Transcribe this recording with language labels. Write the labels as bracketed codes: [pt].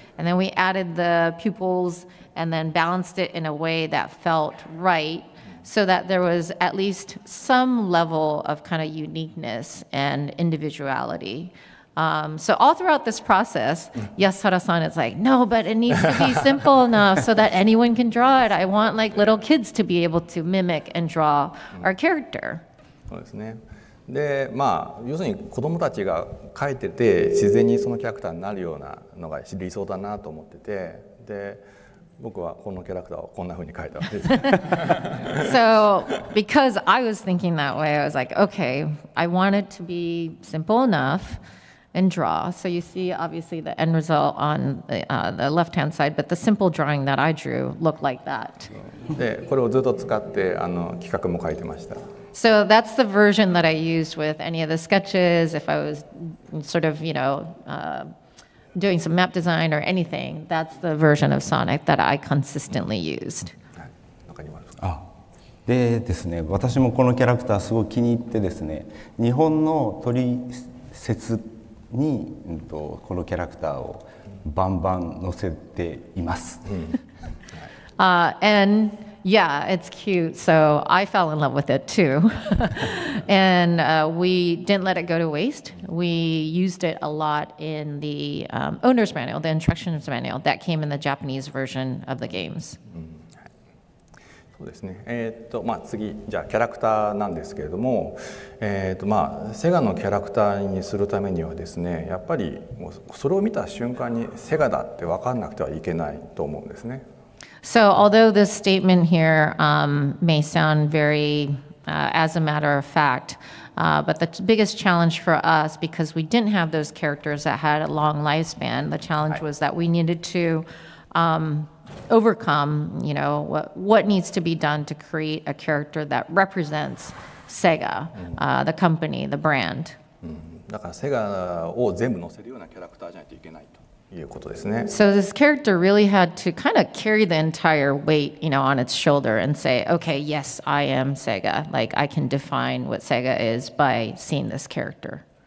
[en] And then we added the pupils and then balanced it in a way that felt right, so that there was at least some level of kind of uniqueness and individuality. So all throughout this process, Yasuhara-san is like, no, but it needs to be simple enough so that anyone can draw it. I want like little kids to be able to mimic and draw our character. [ja] で、まあ、要するに子供たちが描いてて自然にそのキャラクターになるようなのが理想だなと思ってて、で、僕はこのキャラクターをこんな風に描いたわけです。 [en] So, because I was thinking that way, I was like, okay, I want it to be simple enough and draw. So you see obviously the end result on the left-hand side, but the simple drawing that I drew looked like that. [ja] で、これをずっと使って企画も描いてました。 [en] So that's the version that I used with any of the sketches. If I was sort of, you know, doing some map design or anything, that's the version of Sonic that I consistently used. [ja] Ah, でですね、私もこのキャラクターすごい気に入ってですね、日本の取説にこのキャラクターをバンバン載せています。 [en] And yeah, it's cute. So I fell in love with it too. And we didn't let it go to waste. We used it a lot in the owner's manual, the instructions manual that came in the Japanese version of the games. [ja] そうですね。まあ、次、じゃあキャラクターなんですけれども、まあ、セガのキャラクターにするためにはですね、やっぱりもうそれを見た瞬間にセガだって分かんなくてはいけないと思うんですね。 [en] So although this statement here may sound very as a matter of fact, but the biggest challenge for us, because we didn't have those characters that had a long lifespan, the challenge was that we needed to overcome, you know, what needs to be done to create a character that represents Sega, the company, the brand. [ja] だからセガを全部載せるようなキャラクターじゃないといけないと。 [en] So this character really had to kind of carry the entire weight, you know, on its shoulder and say, okay, yes, I am Sega. Like, I can define what Sega is by seeing this character.